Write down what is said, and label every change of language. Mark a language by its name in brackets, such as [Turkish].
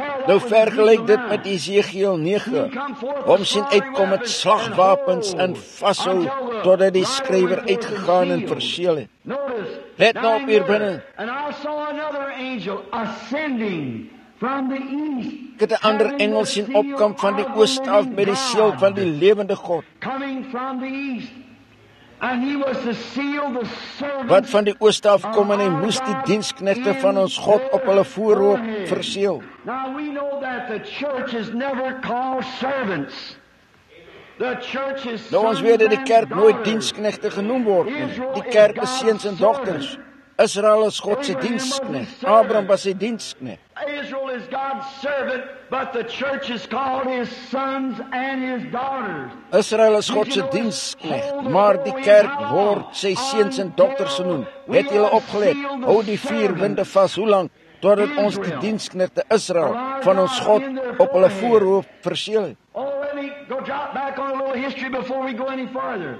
[Afrikaans] Nou vergelijk dit met Ezekiel 9, om sien uitkom met slagwapens en vashou, totdat die skrywer uitgegaan en verseël het. Let nou op hier binnen. [English] And I saw another angel ascending from the east. [Afrikaans] Ek het 'n ander engel sien opkom van die ooste af met die seël van die lewende God. [English] Coming from the east. And he was the seal, the servant. [Afrikaans] Wat van die ooste af kom en hy moes die diensknegte van ons God op hulle voorhoof verseël. [English] Now we know that the church is never called servants. The church is [Afrikaans] nou ons weet dat die kerk nooit diensknegte genoem word nie. Die kerk is seuns en dogters. Israel is God se diensknegt. Abraham was sy diensknegt. [English] Israel is God's servant, but the church is called his sons and his daughters. [Afrikaans] Israel is God se diensknegt, maar die kerk word sy seuns en dogters genoem. Het julle opgelet? Hou die vier winde vas, hoe lank? Totdat ons die diensknegte Israel van ons God op hulle voorhoof verseël. [English] Go drop back on a little history before we go any farther.